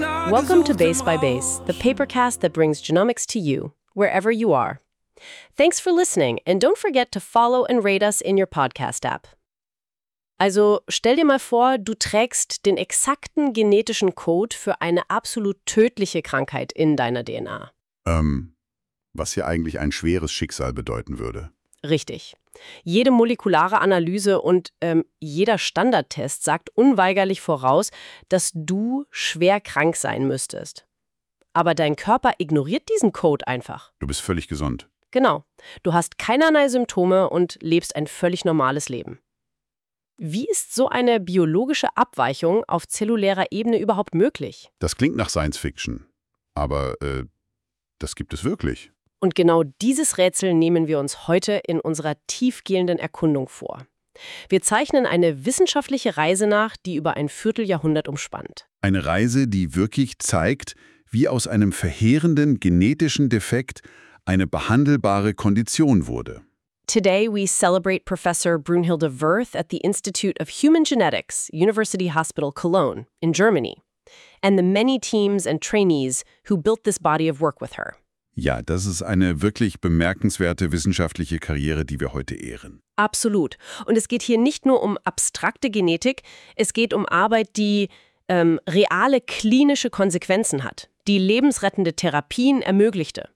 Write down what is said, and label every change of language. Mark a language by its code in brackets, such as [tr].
[en] welcome to Base by Base, the papercast that brings genomics to you, wherever you are. Thanks for listening, and don't forget to follow and rate us in your podcast app. [de] Also, stell dir mal vor, du trägst den exakten genetischen Code für eine absolut tödliche Krankheit in deiner DNA. Was hier eigentlich ein schweres Schicksal bedeuten würde. Richtig. Jede molekulare Analyse und jeder Standardtest sagt unweigerlich voraus, dass du schwer krank sein müsstest. Aber dein Körper ignoriert diesen Code einfach. Du bist völlig gesund. Genau. Du hast keinerlei Symptome und lebst ein völlig normales Leben. Wie ist so eine biologische Abweichung auf zellulärer Ebene überhaupt möglich? Das klingt nach Science Fiction, aber das gibt es wirklich. Und genau dieses Rätsel nehmen wir uns heute in unserer tiefgehenden Erkundung vor. Wir zeichnen eine wissenschaftliche Reise nach, die über ein Vierteljahrhundert umspannt. Eine Reise, die wirklich zeigt, wie aus einem verheerenden genetischen Defekt eine behandelbare Kondition wurde. [en] Today we celebrate Professor Brunhilde Wirth at the Institute of Human Genetics, University Hospital Cologne, in Germany, and the many teams and trainees who built this body of work with her. [de] Ja, das ist eine wirklich bemerkenswerte wissenschaftliche Karriere, die wir heute ehren. Absolut. Und es geht hier nicht nur um abstrakte Genetik, es geht um Arbeit, die reale klinische Konsequenzen hat, die lebensrettende Therapien ermöglichte.